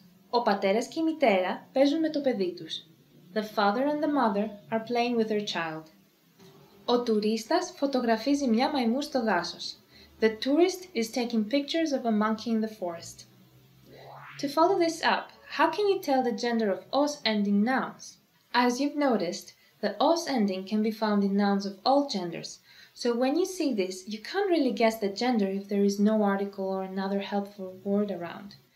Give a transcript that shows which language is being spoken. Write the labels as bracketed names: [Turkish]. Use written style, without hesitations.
[Greek] Ο πατέρας και η μητέρα παίζουν με το παιδί τους. [English] The father and the mother are playing with their child. [Greek] Ο τουρίστας φωτογραφίζει μια μαϊμού στο δάσος. [English] The tourist is taking pictures of a monkey in the forest. To follow this up, how can you tell the gender of os ending nouns? As you've noticed, the os ending can be found in nouns of all genders. So when you see this, you can't really guess the gender if there is no article or another helpful word around.